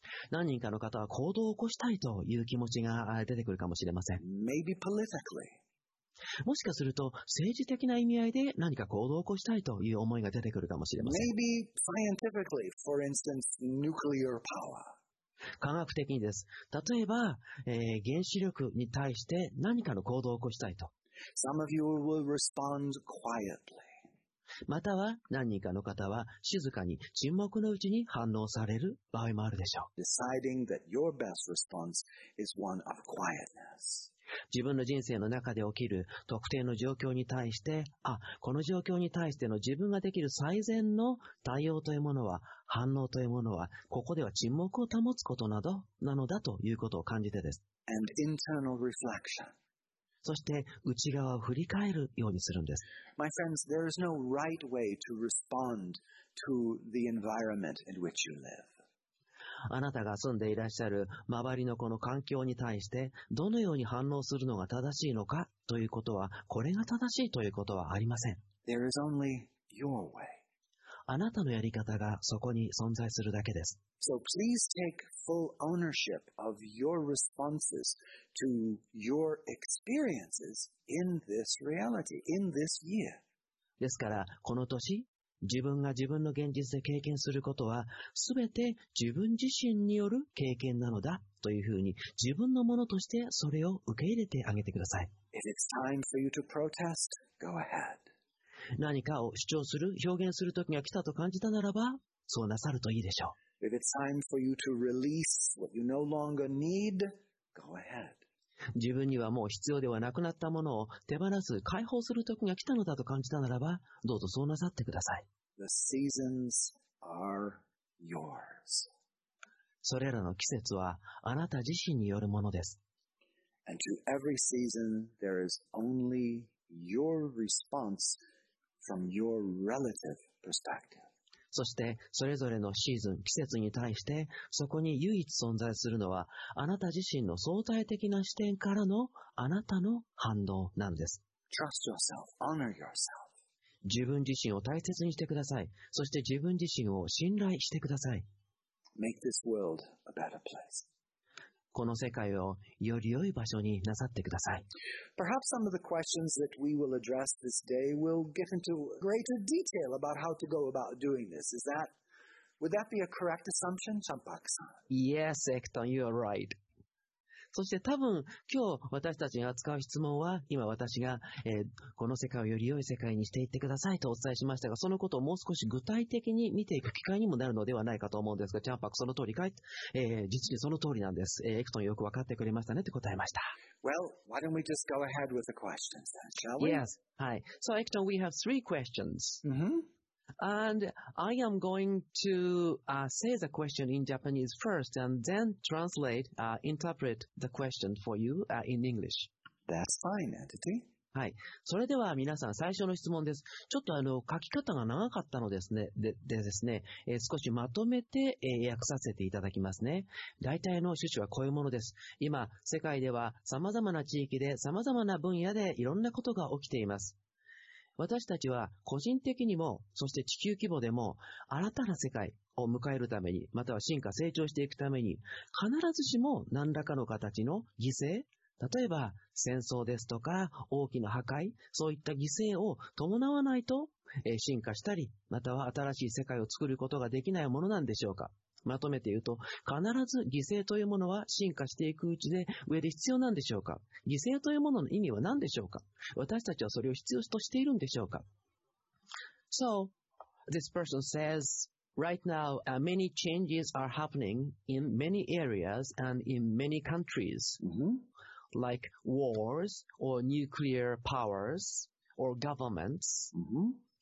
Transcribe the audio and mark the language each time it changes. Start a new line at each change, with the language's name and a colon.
Japanese: 何人かの方は行動を起こしたいという気持ちが出てくるかもしれません。
English: Maybe politically.
Japanese: もしかすると政治的な意味合いで何か行動を起こしたいという思いが出てくるかもしれません。
English: Maybe scientifically, for instance, nuclear power.
Japanese: 科学的にです。例えば、原子力に対して何かの行動を起こしたいと。
English: Some of you will respond quietly.
Japanese: または何人かの方は静かに沈黙のうちに反応される場合もあるでしょう。
English: Deciding that your best response is one of quietness.
Japanese: 自分の人生の中で起きる特定の状況に対して、あ、この状況に対しての自分ができる最善の対応というものは、反応というものは、ここでは沈黙を保つことなどなのだということを感じてです。
English: And internal reflection.
Japanese: そして内側を振り返るようにするんです。
English: My friends, there is no right way to respond to the environment in which you live.
Japanese: あなたが住んでいらっしゃる周りのこの環境に対して、どのように反応するのが正しいのかということは、これが正しいということはありません。
English: There is only your way.
Japanese: あなたのやり方がそこに存在するだけです。
English: So please take full ownership of your responses to your experiences in this reality, in this year.
Japanese: ですから、この年、自分が自分の現実で経験することは、すべて自分自身による経験なのだというふうに、自分のものとしてそれを受け入れてあげてください。
English: If it's time for you to protest, go ahead.
Japanese: 何かを主張する、表現する時が来たと感じたならば、そうなさるといいでしょう。
English: If it's time for you to release what you no longer need, go ahead.
Japanese: 自分にはもう必要ではなくなったものを手放す、解放する時が来たのだと感じたならば、どうぞそうなさってください。
English: The seasons are yours.
Japanese: それらの季節はあなた自身によるものです。
English: And to every season, there is only your response from your relative perspective.
Japanese: そしてそれぞれのシーズン、季節に対して、そこに唯一存在するのはあなた自身の相対的な視点からのあなたの反応なんです。
English: Trust yourself, honor yourself.
Japanese: 自分自身を大切にしてください。そして自分自身を信頼してください。
English: Make this world a better place.
Japanese: この世界をより良い場所になさってください。
English: Perhaps some of the questions that we will address this day will get into greater detail about how to go about doing this. Is that, would that be a correct assumption, Champak-san? Yes, Ekton, you are right.
Japanese: そして多分今日私たちが扱う質問は、今私が、この世界をより良い世界にしていってくださいとお伝えしましたが、そのことをもう少し具体的に見ていく機会にもなるのではないかと思うんですが、チャンパクその通りかい、実にその通りなんです、エクトンよく分かってくれましたねと答えました。
English: Well, why don't we just go ahead with the questions then, shall we? Yes, hi. So Ekton, we have three questions、 mm-hmm. And I am going to、say the question in Japanese first and then translate,、interpret the question for you、in English. That's fine, entity.
Japanese: はい。それでは皆さん最初の質問です。ちょっと書き方が長かったのですね、ですね、少しまとめて、訳させていただきますね。大体の趣旨はこういうものです。今、世界では様々な地域で様々な分野でいろんなことが起きています。私たちは個人的にも、そして地球規模でも、新たな世界を迎えるために、または進化、成長していくために、必ずしも何らかの形の犠牲、例えば戦争ですとか大きな破壊、そういった犠牲を伴わないと、進化したり、または新しい世界を作ることができないものなんでしょうか。まとめて言うと、必ず犠牲というものは進化していくうちで上で必要なんでしょうか。犠牲というものの意味は何でしょうか。私たちはそれを必要としているんでしょうか。
English: So, this person says, right now, many changes are happening in many areas and in many countries.、 Mm-hmm. Like wars or nuclear powers or governments.、 Mm-hmm.